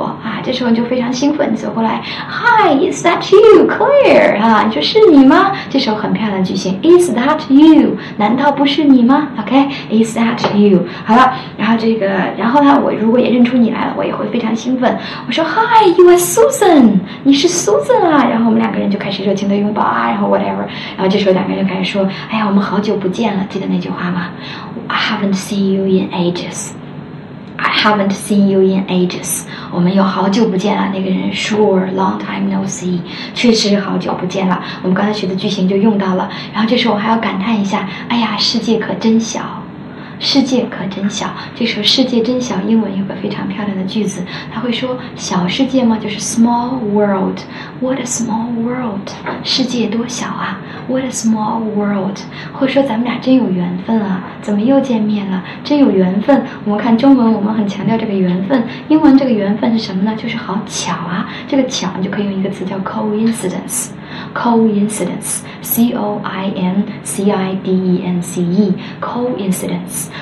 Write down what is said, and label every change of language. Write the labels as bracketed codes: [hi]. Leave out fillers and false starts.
[zh] 啊，这时候你就非常兴奋，你走过来 ， [en] Hi, is that you, Claire？ [zh] 啊，你说是你吗？这时候很漂亮的句型 ， [en] Is that you？ [zh] 难道不是你吗 ？OK，Is that you？好了，然后这个，然后呢，我如果也认出你来了，我也会非常兴奋。我说 ， [en] Hi, you are Susan， [zh] 你是 Susan 啊。然后我们两个人就开始热情的拥抱啊，然后 whatever， 然后这时候两个人就开始说，哎呀，我们好久不见了，记得那句话吗 ？ [en] I haven't seen you in ages。 I haven't seen you in ages. [zh] 我们有好久不见了。那个人 ， [en] Sure, long time no see. [zh] 确实好久不见了。我们刚才学的句型就用到了。然后这时候我还要感叹一下，哎呀，世界可真小。世界可真小，这时候世界真小，英文有个非常漂亮的句子，他会说小世界吗？就是 small world， [en] What a small world. [zh] 世界多小啊。 [en] What a small world. [zh] 或者说咱们俩真有缘分啊。怎么又见面了？真有缘分。我们看中文，我们很强调这个缘分。英文这个缘分是什么呢？就是好巧啊。这个巧你就可以用一个词叫 coincidence。 [en] Coincidence, C-O-I-N-C-I-D-E-N-C-E, coincidence.